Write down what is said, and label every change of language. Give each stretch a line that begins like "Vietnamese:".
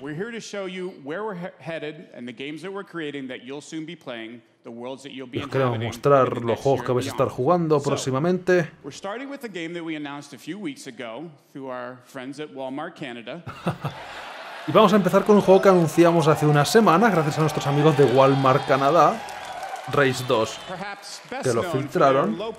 English: We're here to show you where we're headed and the games that we're creating that you'll soon be playing. The worlds that you'll be inhabiting.
Spanish: Queremos mostrar los juegos que vais a estar jugando próximamente.
English: We're starting with a game that we announced a few weeks ago through our friends at Walmart Canada.
Spanish: Y vamos a empezar con un juego que anunciamos hace unas semanas gracias a nuestros amigos de Walmart Canadá, Race 2, que lo filtraron.